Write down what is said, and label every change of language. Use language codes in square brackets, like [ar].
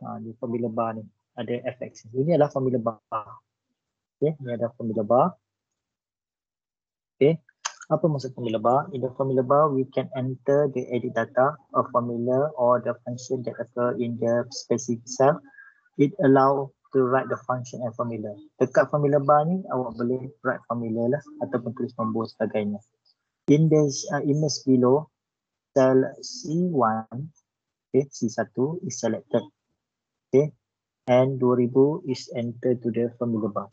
[ms] Ha, ni formula bar ni, ada FX. Ini adalah formula bar. Okay, ni ada formula bar. Okay, apa maksud formula bar? [en] In the formula bar, we can enter the edit data of formula or the function that occur in the specific cell. It allow to write the function and formula. [ms] Dekat formula bar ni, awak boleh [en] write formula [ms] lah ataupun tulis nombor sebagainya. [en] In this image below, cell C1, okay, C1 is selected. Okay, and 2000 is entered to the formula bar.